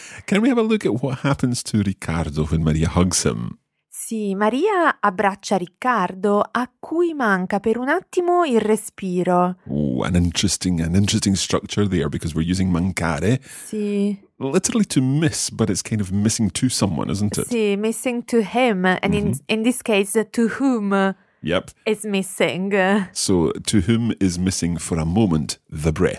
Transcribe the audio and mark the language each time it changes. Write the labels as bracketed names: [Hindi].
[English] Can we have a look at what happens to Riccardo when Maria hugs him? [Italian] Sì, Maria abbraccia Riccardo, a cui manca per un attimo il respiro. [English] Ooh, an interesting structure there, because we're using mancare. [Italian] Sì. [English] Literally to miss, but it's kind of missing to someone, isn't it? Sì, missing to him, and mm-hmm. in this case, to whom... Yep. Is missing. So, to whom is missing for a moment the breath?